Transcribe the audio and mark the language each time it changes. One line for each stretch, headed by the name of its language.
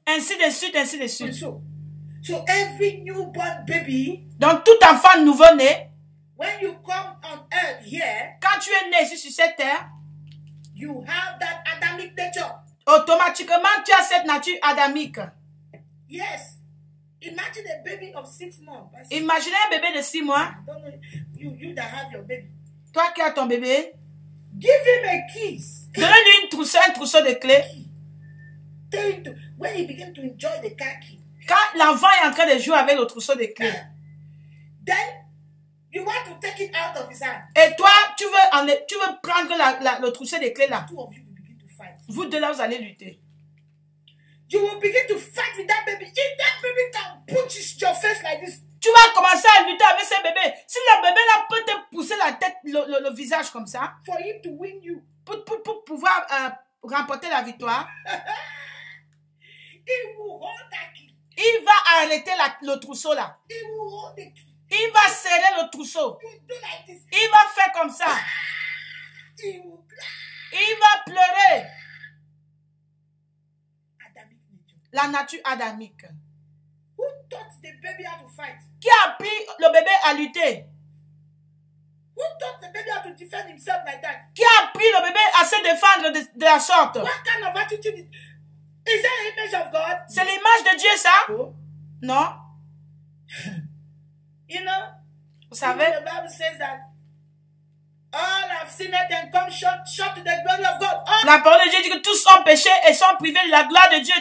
French: Ainsi de suite, ainsi de suite.
English: And so. So every newborn baby.
French: Donc tout enfant nouveau-né.
English: When you come on earth here,
French: quand tu es né ici sur cette terre,
English: you have that Adamic nature.
French: Automatiquement, tu as cette nature adamique.
English: Yes. Imagine a baby of 6 months.
French: Imagine un bébé de 6 mois.
English: You that have your baby.
French: Toi qui as ton bébé.
English: Give him a kiss.
French: Donne-lui un trousseau de clés.
English: When he begin to enjoy the car key.
French: Quand l'enfant est en train de jouer avec le trousseau de clés.
English: Then you want to take it out of his hand.
French: Et toi, tu veux prendre le trousseau de clés là.
English: Two of you will begin to fight.
French: Vous deux là, vous allez lutter.
English: You will begin to fight with that baby. If that baby can push your face like this.
French: Tu vas commencer à lutter avec ce bébé. Si le bébé là peut te pousser la tête, le visage comme ça.
English: For him to win you.
French: Pour pouvoir remporter la victoire.
English: He will hold that key.
French: Il va arrêter le trousseau là.
English: He will hold the key.
French: Il va serrer le trousseau.
English: Like
French: il va faire comme ça. Il va pleurer.
English: Adamic.
French: La nature adamique.
English: Who taught the baby how to fight?
French: Qui a appris le bébé à lutter?
English: Who taught the baby how to defend himself like that?
French: Qui a appris le bébé à se défendre de la sorte?
English: What kind of attitude is that image of God?
French: C'est l'image de Dieu ça? Oh. Non.
English: You know,
French: vous savez,
English: the Bible says that all have sinned and come short to the glory of God. All.
French: La parole de Dieu dit que tous ont péché et sont privés de la gloire de Dieu.